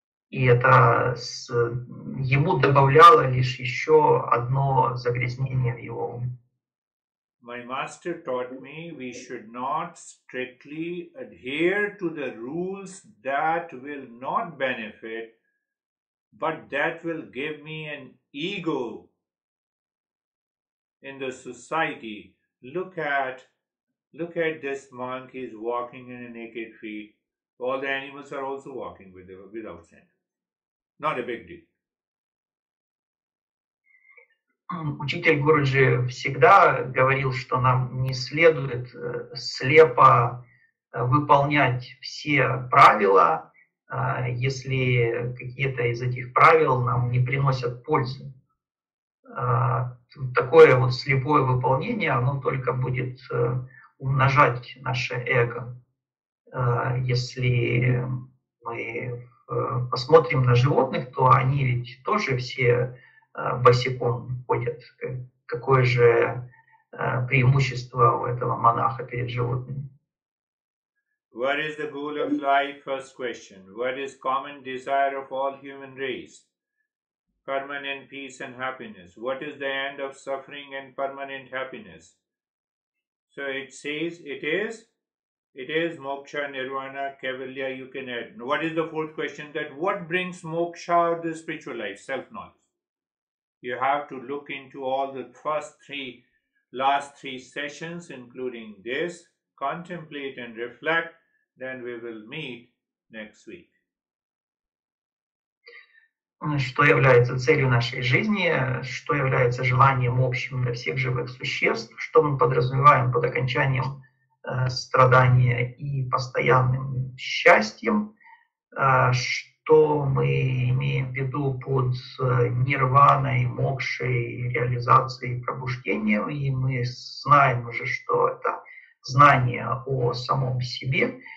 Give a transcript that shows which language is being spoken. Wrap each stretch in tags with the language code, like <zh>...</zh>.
<ru>И это ему добавляло лишь еще одно загрязнение в его уме.</ru> <en>My master taught me we should not strictly adhere to the rules that will not benefit, but that will give me an ego in the society. Look at this monk, he's walking in a naked feet. All the animals are also walking without sandals. Not a big deal.</en> <ru>Учитель Гуруджи всегда говорил, что нам не следует слепо выполнять все правила, если какие-то из этих правил нам не приносят пользы. Такое вот слепое выполнение, оно только будет умножать наше эго. Если мы посмотрим на животных, то они ведь тоже все босиком ходят. Какое же преимущество у этого монаха перед животными?</ru> <en>What is the goal of life? First question. What is common desire of all human race? Permanent peace and happiness. What is the end of suffering and permanent happiness? So it says it is moksha, nirvana, kaivalya. You can add. What is the fourth question? That what brings moksha or the spiritual life? Self-knowledge. You have to look into all the last three sessions, including this, contemplate and reflect. Then we will meet next week.</en> <ru>Что является целью нашей жизни, что является желанием общим для всех живых существ, что мы подразумеваем под окончанием страдания и постоянным счастьем, что мы имеем в виду под нирваной, мокшей, реализацией, пробуждением, и мы знаем уже, что это знание о самом себе.</ru>